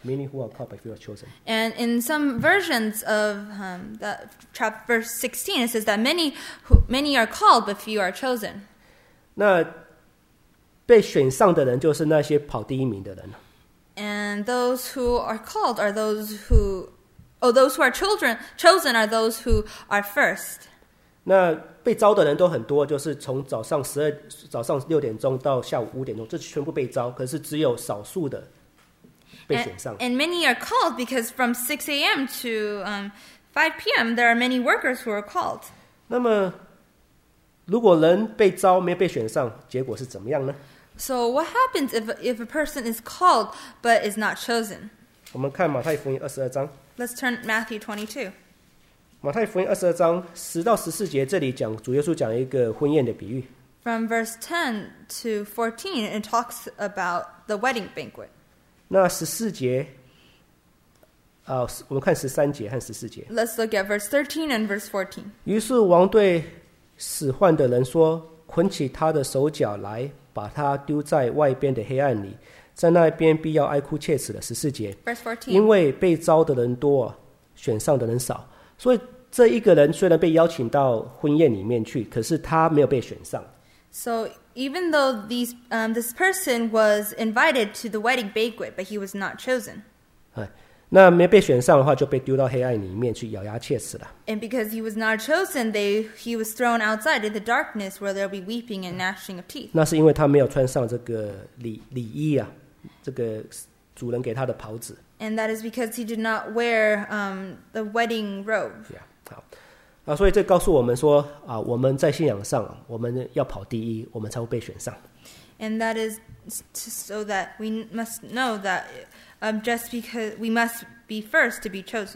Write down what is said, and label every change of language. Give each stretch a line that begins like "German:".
English: Many who are called, but few are chosen. And in some versions of that chapter verse 16, it says that many are called, but few are chosen.
Chinese: 那被选上的人就是那些跑第一名的人。
English: And those who are called are those who are chosen are those who are first.
Chinese: 那被招的人都很多，就是从早上六点钟到下午五点钟，这全部被招，可是只有少数的被选上。
English: And many are called because from 6 a.m. to 5 p.m. there are many workers who are called.
Chinese: 那么，如果人被招没被选上，结果是怎么样呢？
English: So what happens if a person is called but is not chosen?
Chinese: 我们看马太福音二十二章。
English: Let's turn Matthew 22.
Chinese: 马太福音二十二章十到十四节，这里讲主耶稣讲一个婚宴的比喻。
English: From verse 10 to 14, it talks about the wedding banquet.
Chinese: 那十四节，我们看十三节和十四节。
English: Let's look at verse 13 and verse 14.
Chinese: 于是王对使唤的人说，捆起他的手脚来，把他丢在外边的黑暗里，在那边必要哀哭切齿的。十四节。
English: Verse 14.
Chinese: 因为被招的人多，选上的人少。所以这一个人虽然被邀请到婚宴里面去，可是他没有被选上。
English: So even though this person was invited to the wedding banquet, but he was not chosen.
Chinese: 那没被选上的话，就被丢到黑暗里面去咬牙切齿了。
English: And because he was not chosen, he was thrown outside in the darkness where there will be weeping and gnashing of teeth.
Chinese: 那是因为他没有穿上这个礼衣这个主人给他的袍子。
English: And that is because he did not wear the wedding robe. Yeah, 好。
Chinese: 所以这告诉我们说我们在信仰上，我们要跑第一，我们才会被选上。
English: And that is so that we must know that just because we must be first to be chosen.